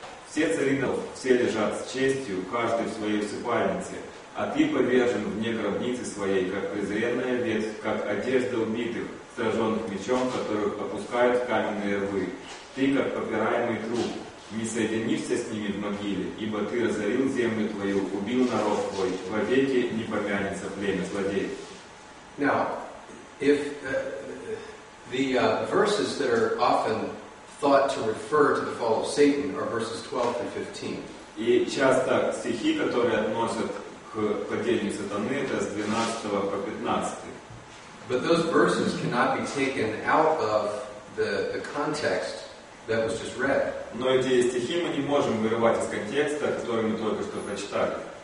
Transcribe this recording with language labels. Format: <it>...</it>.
<ru>Все цари, все лежат с честью, каждый в своей усыпальнице, а ты повержен вне гробницы своей, как презренная ветвь, как одежда убитых, сраженных мечом, которых опускают в каменные рвы. Ты, как попираемый труп, не соединишься с ними в могиле, ибо ты разорил землю твою, убил народ твой, вовеки не помянется племя злодей.</ru> <en>Now, if the verses that are often thought to refer to the fall of Satan are verses 12 through 15.</en> <ru>И часто стихи, которые относят к падению сатаны, это с 12 по 15.</ru> <en>But those verses cannot be taken out of the context that was just read.</en> <ru>Но эти стихи мы не можем вырывать из контекста, который мы только что прочитали.</ru>